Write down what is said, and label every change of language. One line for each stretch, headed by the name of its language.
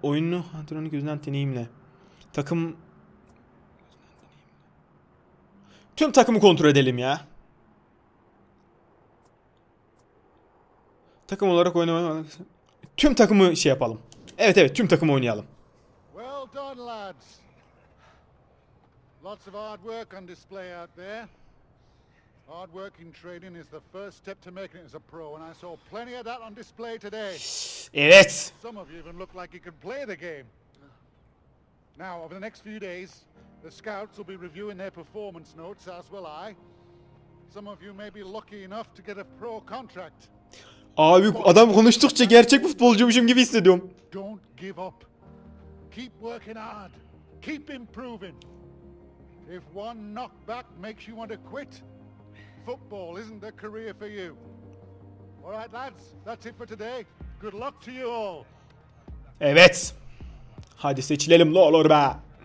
Turkish: Oyunu antrenörün gözünden deneyimle. Takım... Tüm takımı kontrol edelim ya. Takım olarak oynamak. Tüm takımı şey yapalım. Evet evet tüm takımı oynayalım.
English: Well done lads. Lots of hard work on display out there. Hard work in training is the first step to making it as a pro and I saw plenty of that on display today.
Turkish: Evet.
English: Some of you even look like you can play the game. Now over the next few days the scouts will be reviewing their performance notes, as will I. Some of you may be lucky enough to get a pro contract.
Turkish: Abi adam konuştukça gerçek futbolcuymuşum gibi hissediyorum.
English: Don't give up. Keep working hard. Keep improving. If one knockback makes you want to quit, football isn't the career for you. All right, lads, that's it for today. Good luck to you all.
Turkish: Evet. Hadi seçilelim lo olur be.